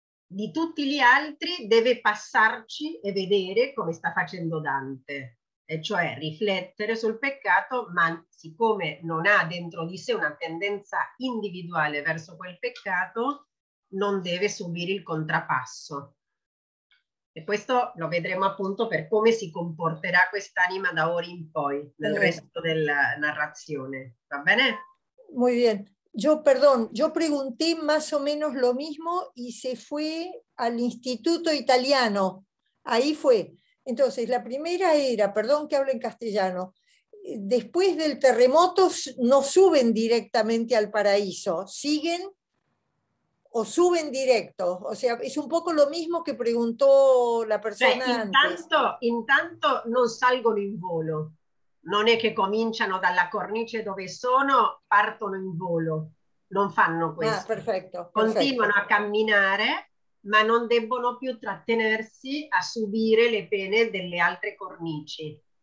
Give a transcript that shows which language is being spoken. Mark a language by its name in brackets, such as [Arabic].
[Italian] Di tutti gli altri deve passarci e vedere come sta facendo Dante, e cioè riflettere sul peccato, ma siccome non ha dentro di sé una tendenza individuale verso quel peccato, non deve subire il contrapasso. E questo lo vedremo appunto per come si comporterà quest'anima da ora in poi nel resto della narrazione. Va bene? [Spanish] Muy bien. Yo, perdón, yo pregunté más o menos lo mismo y se fue al Instituto Italiano. Ahí fue. Entonces, la primera era, perdón que hablo en castellano, después del terremoto no suben directamente al paraíso, siguen o suben directo. O sea, es un poco lo mismo que preguntó la persona antes. [Italian] Intanto non salgono in volo, non è che cominciano dalla cornice dove sono, partono in volo, non fanno questo. Ah, perfetto. Continuano a camminare, ma non debbono più trattenersi a subire le pene delle altre cornici.